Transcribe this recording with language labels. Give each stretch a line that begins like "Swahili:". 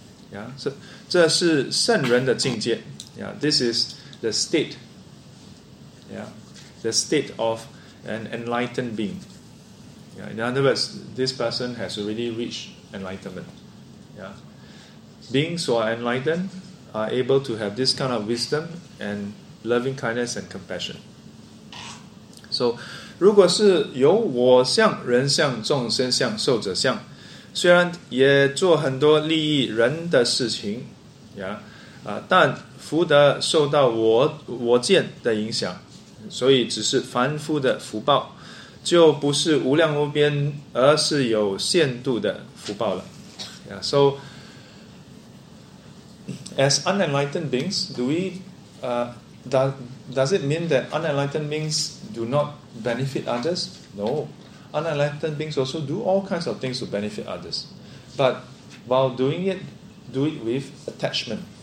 English: Yeah, so
Chinese: 这是圣人的境界,
English: yeah, this is the state, yeah, the state of an enlightened being. Yeah, in other words, this person has already reached enlightenment. Yeah. Beings who are enlightened are able to have this kind of wisdom and loving kindness and compassion.
Chinese: So 如果是有我相、人相、众生相、寿者相, 虽然也做很多利益人的事情, yeah, 但福德受到我见的影响, 所以只是凡夫的福报, 就不是无量无边, 而是有限度的福报了.
English: Yeah, so, as unenlightened beings, do we, does it mean that unenlightened beings do not benefit others? No. Unenlightened beings also do all kinds of things to benefit others. But while doing it, do it with attachment.